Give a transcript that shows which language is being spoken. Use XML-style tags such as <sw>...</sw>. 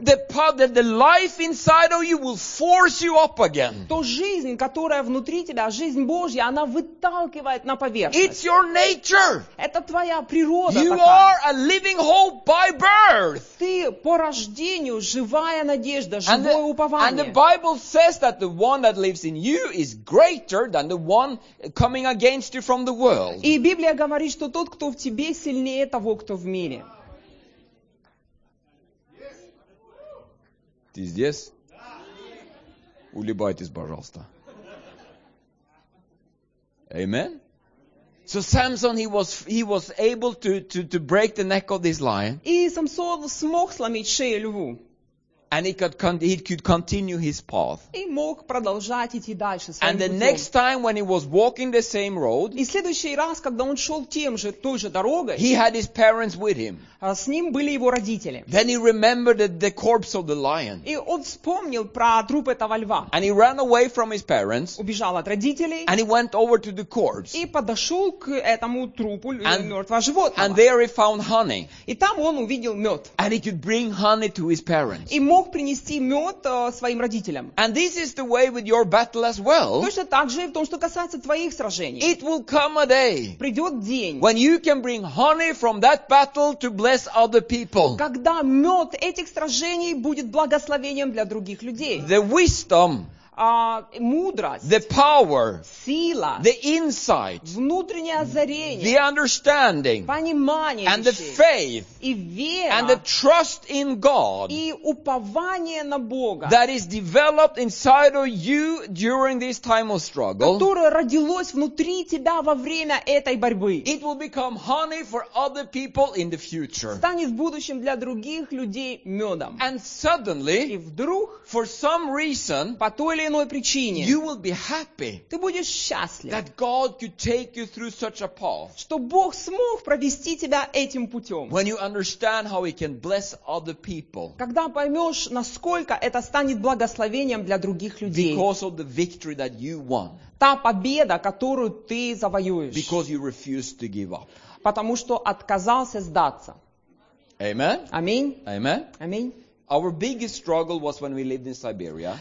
<en>the life inside of you will force you up again.</en> <ru>То жизнь, которая внутри тебя, жизнь Божья, она выталкивает на поверхность.</ru> <en>It's your nature.</en> <ru>Это твоя природа.</ru> <en>You are a living hope by birth.</en> <ru>Ты по рождению живая надежда, живое упование.</ru> <en>And the Bible says that the one that lives in you is greater than the one coming against you from the world.</en> <ru>И Библия говорит, что тот, кто в тебе, сильнее того, кто в мире. Ты здесь? Улыбайтесь, пожалуйста.</ru> <en>Amen. So Samson, he was able to break the neck of this lion.</en> <ru>И Самсон смог сломить шею льву.</ru> <en>And he could continue his path.</en> <ru>И мог продолжать идти дальше своим</ru> <en>And the</en> <ru>путем.</ru> <en>Next time when he was walking the same road,</en> <ru>и следующий раз, когда он шел той же дорогой,</ru> <en>he had his parents with him.</en> <ru>С ним были его родители.</ru> <en>Then he remembered the corpse of the lion.</en> <ru>И он вспомнил про труп этого льва.</ru> <en>And he ran away from his parents.</en> <ru>Убежал от родителей.</ru> <en>And he went over to the corpse.</en> <ru>И подошел к этому трупу мертвого животного.</ru> <en>And there he found honey.</en> <ru>И там он увидел мед.</ru> <en>And he could bring honey to his parents.</en> <ru>И мог принести мед своим родителям.</ru> <en>And this is the way with your battle as well.</en> <ru>Точно так же и в том, что касается твоих сражений.</ru> <en>It will come a day.</en> <ru>Придет день.</ru> <en>When you can bring honey from that battle to bless other people.</en> <ru>Когда мед этих сражений будет благословением для других людей.</ru> <en>The wisdom</en> <ru>мудрость,</ru> <en>the power,</en> <ru>сила,</ru> <en>the insight,</en> <ru>внутреннее озарение,</ru> <en>the understanding,</en> <ru>понимание,</ru> <en>and the faith,</en> <ru>и вера,</ru> <en>and the trust in God,</en> <ru>и упование на Бога,</ru> <en>that is developed inside of you during this time of struggle,</en> <ru>которое родилось внутри тебя во время этой борьбы,</ru> <en>it will become honey for other people in the future,</en> <ru>станет в будущем для других людей медом,</ru> <en>and suddenly,</en> <ru>и вдруг,</ru> <en>for some reason,</en> <ru>по той или иной причине,</ru> <en>you will be happy,</en> <ru>ты будешь счастлив,</ru> <en>that God could take you through such a path,</en> <ru>что Бог смог провести тебя этим путем,</ru> <en>when you understand how He can bless other people,</en> <ru>когда поймешь, насколько это станет благословением для других людей,</ru> <en>because of the victory that you won,</en> <ru>та победа, которую ты завоюешь,</ru> <en>because you refused to give up,</en> <ru>потому что отказался сдаться.</ru> <en>Amen. Amen. Amen. Amen. Our biggest struggle was when we lived in Siberia.</en>